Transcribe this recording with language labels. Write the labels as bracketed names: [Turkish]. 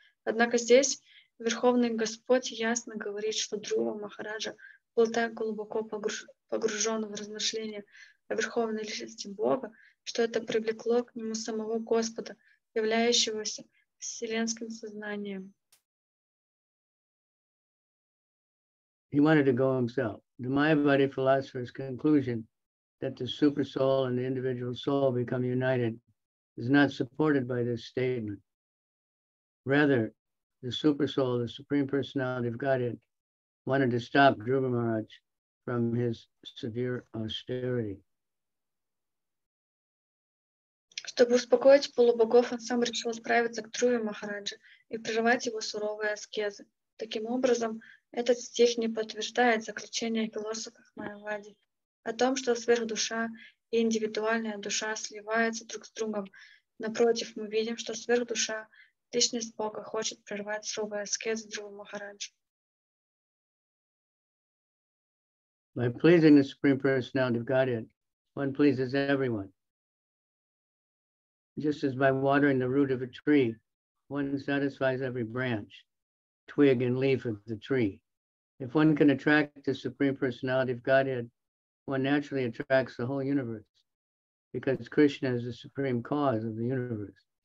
[Russian] Однако здесь Верховный Господь ясно говорит, что Дхрува Махараджа был так глубоко погружен в размышления о Верховной Личности Бога, что это привлекло к нему самого Господа, являющегося вселенским сознанием. [English] He wanted to go himself. The Mayavadi philosopher's conclusion that the super soul and the individual soul become united is not supported by this statement. Rather, the super soul, the supreme personality of Godhead, wanted to stop Dhruva Maharaj from his severe austerity. [Russian] Чтобы успокоить полубогов, он сам решил отправиться к Дхруве Махараджа и прерывать его суровые аскезы. Таким образом, этот стих не подтверждает заключение философов Майявади о том, что сверхдуша и индивидуальная душа сливаются друг с другом. Напротив, мы видим, что сверхдуша, личность Бога, хочет прервать суровые аскезы Дхрувы Махараджа. [English] By pleasing the Supreme Personality of Godhead, one pleases everyone. Just as by watering the root of a tree, one satisfies every branch, twig and leaf of the tree. If one can attract the Supreme Personality of Godhead, one naturally attracts the whole universe, because Krishna is the supreme cause of the universe.